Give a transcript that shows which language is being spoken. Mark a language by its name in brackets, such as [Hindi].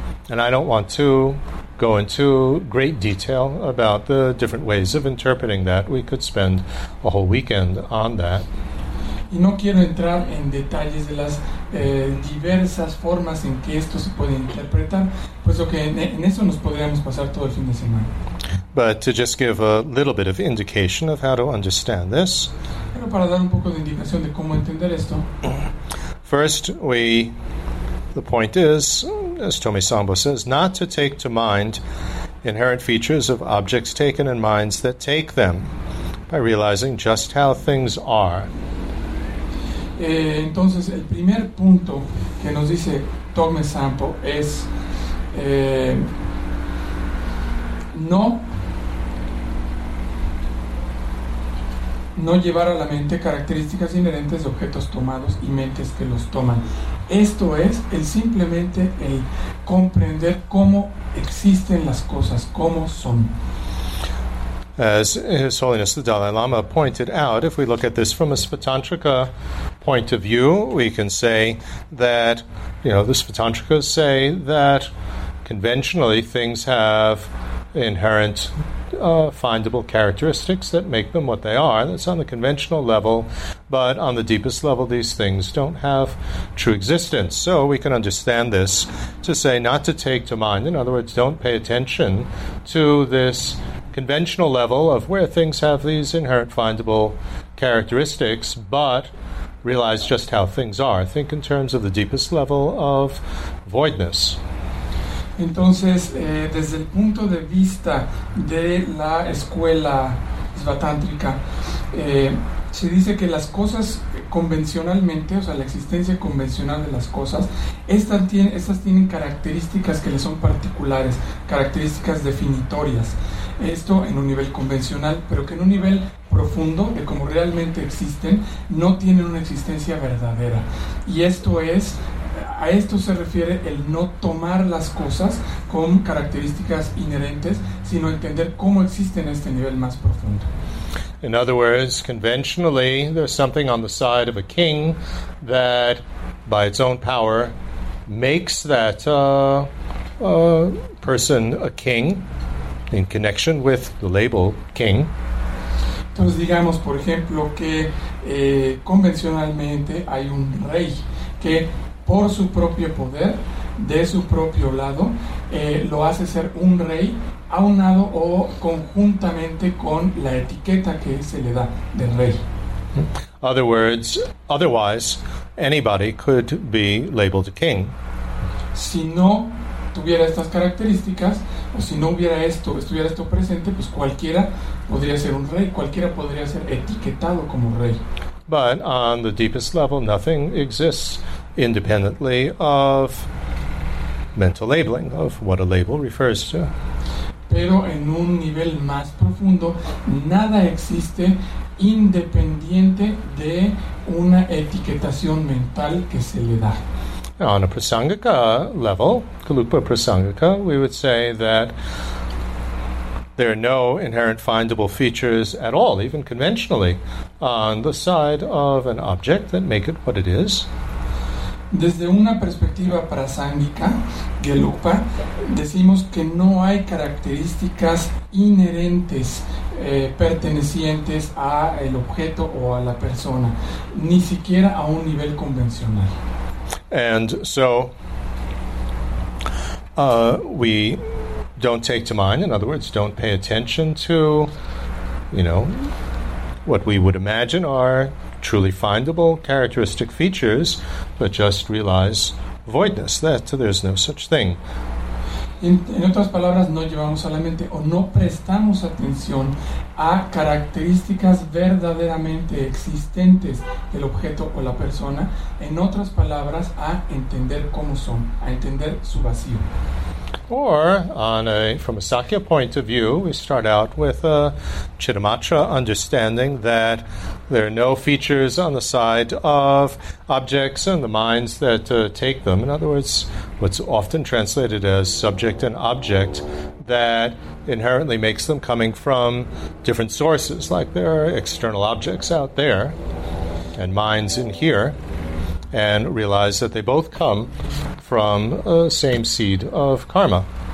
[English] And I don't want to go into great detail about the different ways of interpreting that. We could spend a whole weekend on that. [Spanish] Y no quiero entrar en detalles de las diversas formas en que esto se puede interpretar, puesto que en eso nos podríamos pasar todo el fin de semana. [English] But to just give a little bit of indication of how to understand this. [Spanish] Pero para dar un poco de indicación de cómo entender esto. [English] First, the point is, as Tome Sangbo says, not to take to mind inherent features of objects taken and minds that take them by realizing just how things are. [Spanish] Entonces, el primer punto que nos dice Tome Sangbo es no llevar a la mente características inherentes de objetos tomados y mentes que los toman. Esto es el simplemente el comprender cómo existen las cosas, cómo son. [English] As His Holiness the Dalai Lama pointed out, if we look at this from a Svatantrika point of view, we can say that, you know, the Svatantrikas say that conventionally things have inherent findable characteristics that make them what they are. That's on the conventional level, but on the deepest level, these things don't have true existence. So we can understand this to say not to take to mind, in other words, don't pay attention to this conventional level of where things have these inherent findable characteristics, but realize just how things are. Think in terms of the deepest level of voidness. [Spanish] Entonces, desde el punto de vista de la escuela svatántrica, se dice que las cosas convencionalmente, o sea, la existencia convencional de las cosas, estas tienen características que les son particulares, características definitorias. Esto en un nivel convencional, pero que en un nivel profundo de cómo realmente existen, no tienen una existencia verdadera. Y esto es, a esto se refiere el no tomar las cosas con características inherentes, sino entender cómo existen en este nivel más profundo. [English] In other words, conventionally, there's something on the side of a king that, by its own power, makes that person a king in connection with the label king. [Spanish] Entonces, digamos, por ejemplo, que convencionalmente hay un rey que, por su propio poder, de su propio lado, lo hace ser un rey aunado o conjuntamente con la etiqueta que se le da del rey. [English] Other words, otherwise, anybody could be labeled king. [Spanish] Si no tuviera estas características, o si no hubiera esto, estuviera esto presente, pues cualquiera podría ser un rey, cualquiera podría ser etiquetado como rey. [English] But on the deepest level, nothing exists independently of mental labeling, of what a label refers to. [Spanish] Pero en un nivel más profundo, nada existe independiente de una etiquetación mental que se le da. [English] On a prasangika level, kalupa prasangika, we would say that there are no inherent findable features at all, even conventionally, on the side of an object that make it what it is. [Spanish] Desde una perspectiva prasangika, gelupa, decimos que no hay características inherentes pertenecientes a el objeto o a la persona, ni siquiera a un nivel convencional. [English] And so, we don't take to mind, in other words, don't pay attention to, you know, what we would imagine are truly findable characteristic features, but just realize voidness, that there's no such thing. [Spanish] En otras palabras, no llevamos a la mente o no prestamos atención a características verdaderamente existentes del objeto o la persona. En otras palabras, a entender cómo son, a entender su vacío. [English] Or, from a Sakya point of view, we start out with a Chittamatra understanding that there are no features on the side of objects and the minds that take them. In other words, what's often translated as subject and object that inherently makes them coming from different sources, like there are external objects out there and minds in here, and realize that they both come from the same seed of karma.